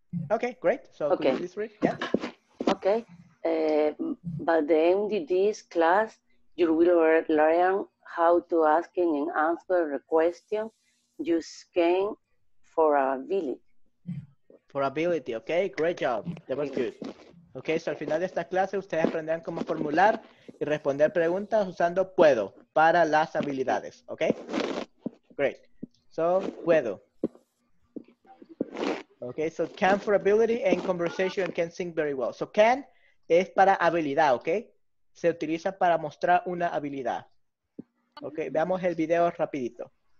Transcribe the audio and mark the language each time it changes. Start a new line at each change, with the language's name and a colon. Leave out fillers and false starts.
English: Okay, great. So okay. Could you please read? Yeah. Okay. By the end of this class, you will learn how to ask and answer a question you scan for ability. For ability, okay, great job. That was good.
Spanish: Ok, so al final de esta clase ustedes aprenderán cómo formular y responder preguntas usando puedo para las habilidades, ok?
English: Great. So, puedo. Ok, so can for ability and conversation and can sing very well. So can
Spanish: es para habilidad,
English: ok?
Spanish: Se utiliza para mostrar una habilidad. Ok, veamos el video rapidito.